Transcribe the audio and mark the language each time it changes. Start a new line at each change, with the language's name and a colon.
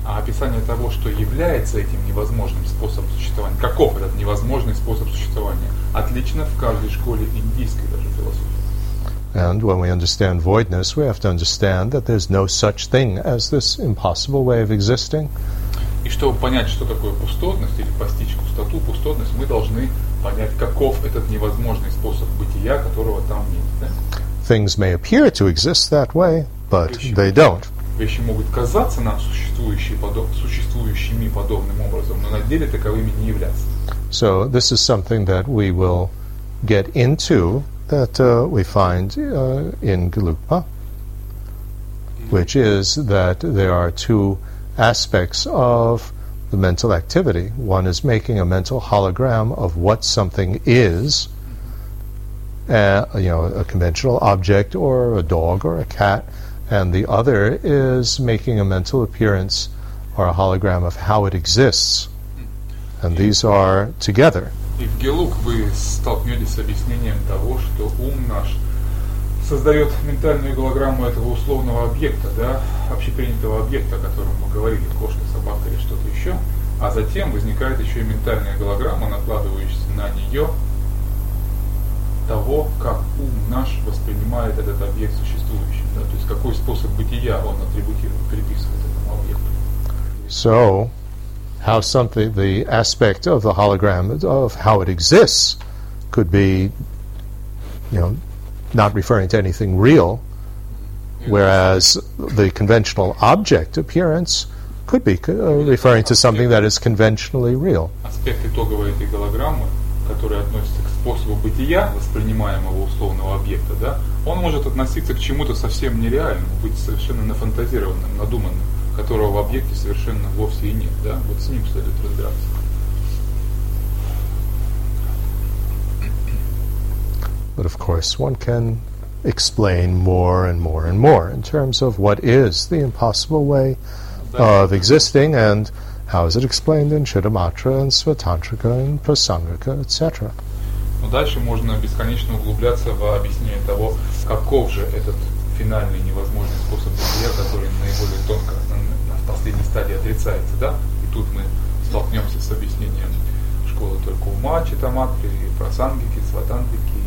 Russian: А описание того, что является этим невозможным способом существования, каков этот невозможный способ существования, отлично в каждой школе индийской даже философии.
English: And when we understand voidness, we have to understand that there's no such thing as this impossible way of existing.
Russian: И чтобы понять, что такое пустотность, или постичь пустоту, пустотность, мы должны понять, каков этот невозможный способ бытия, которого там нет. Да?
English: Things may appear to exist that way, but they don't.
Russian: Вещи могут казаться нам существующими подобным образом, но на деле таковыми не являются.
English: So this is something that we will get into, that we find in Gelugpa, which is that there are two aspects of the mental activity. One is making a mental hologram of what something is, a conventional object or a dog or a cat, and the other is making a mental appearance or a hologram of how it exists. And these are together. If
Russian: Гелуг вы столкнетесь с объяснением того, что ум наш создает ментальную голограмму этого условного объекта, да, общепринятого объекта, о котором мы говорили, кошка, собака или что-то еще, а затем возникает еще и ментальная голограмма, накладывающаяся на нее того, как ум наш воспринимает этот объект существующим, да, то есть какой способ бытия он атрибутирует, приписывает этому объекту.
English: So, how something, the aspect of the hologram of how it exists could be, not referring to anything real, whereas the conventional object appearance could be referring to something that is conventionally real.
Russian: Аспект итоговой этой голограммы, который относится к способу бытия воспринимаемого условного объекта, да, он может относиться к чему-то совсем нереальному, быть совершенно нафантазированным, надуманным, которого в объекте совершенно вовсе и нет, да? Вот с ним следует разбираться.
English: But of course, one can explain more and more and more in terms of what is the impossible way of existing, and how is it explained in Chittamatra and Svatantrika and Prasangika, etc.
Russian: Но дальше можно бесконечно углубляться в объяснение того, каков же этот финальный невозможный способ бытия, который наиболее тонко на последней стадии отрицается, да? И тут мы столкнемся с объяснением школы только ума, Читаматры, Прасангики, Сватантрики.